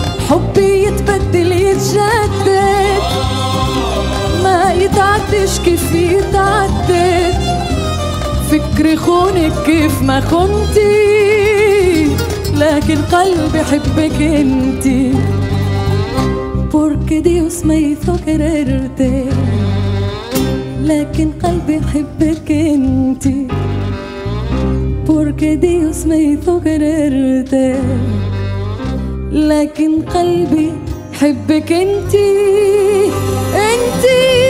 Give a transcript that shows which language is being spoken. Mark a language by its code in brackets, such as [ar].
[ar] حبي يتبدل يتجدد ما يتعدش كيف يتعدد. فكري خونك كيف ما خنتي لكن قلبي حبك انتي. [es] Porque Dios me hizo quererte [ar] لكن قلبي حبك انتي. [es] Porque Dios me hizo quererte [ar] لكن قلبي حبك انتي انتي.